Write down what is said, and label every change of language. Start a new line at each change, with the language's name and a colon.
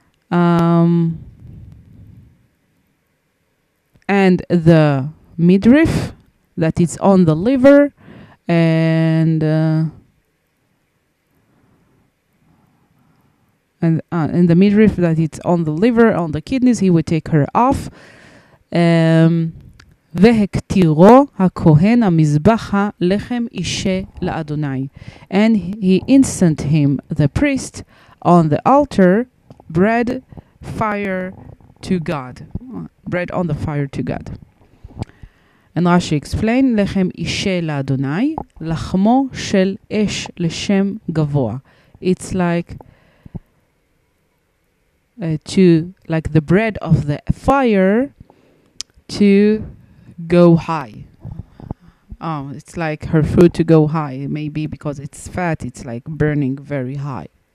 English: And the midriff that is on the liver, and the midriff that it's on the liver, on the kidneys, he would take her off.
Hebrew: והקטירו הכהן המזבחה לחם אישה לאדוני.
English: And he instant him, the priest, on the altar, bread, fire to God. Bread on the fire to God. And Rashi explained,
Hebrew: לחם אישה לאדוני, לחמו של אש לשם גבוה.
English: It's like the bread of the fire to go high. Oh, it's like her food to go high. Maybe because it's fat, it's like burning very high.